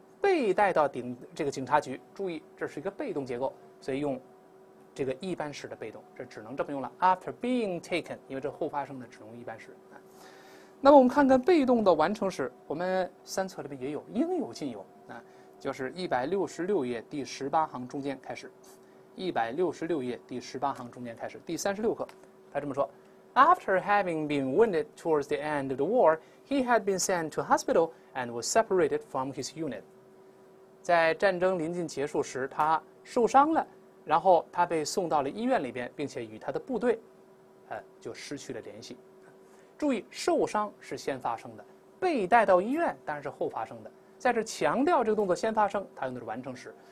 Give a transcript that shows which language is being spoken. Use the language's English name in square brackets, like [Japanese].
[Chinese] 被带到这个警察局，注意这是一个被动结构，所以用这个一般时的被动，这只能这么用了。 [English] After being taken， [Chinese] 因为这后发生的只能一般时。那么我们看看被动的完成时，我们3册里面也有，应有尽有。就是166页第18行中间开始，第36课，他这么说 [English] ：After having been wounded towards the end of the war, he had been sent to hospital and was separated from his unit. [Chinese] 在战争临近结束时，他受伤了，然后他被送到了医院里边，并且与他的部队，就失去了联系。注意，受伤是先发生的，被带到医院当然是后发生的。在这强调这个动作先发生，他用的是完成时。